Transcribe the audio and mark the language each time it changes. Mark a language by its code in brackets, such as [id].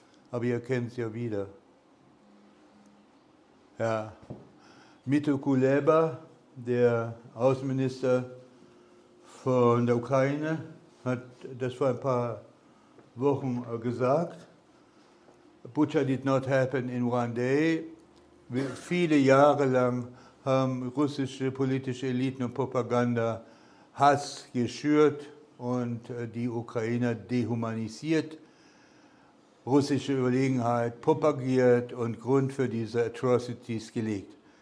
[de] Aber ihr kennt es ja wieder. Ja, Dmytro Kuleba, der Außenminister von der Ukraine, hat das vor ein paar Wochen gesagt. [en] Bucha did not happen in one day. [de] Viele Jahre lang haben russische politische Eliten und Propaganda Hass geschürt und die Ukrainer dehumanisiert, russische Überlegenheit propagiert und Grund für diese Atrocities gelegt.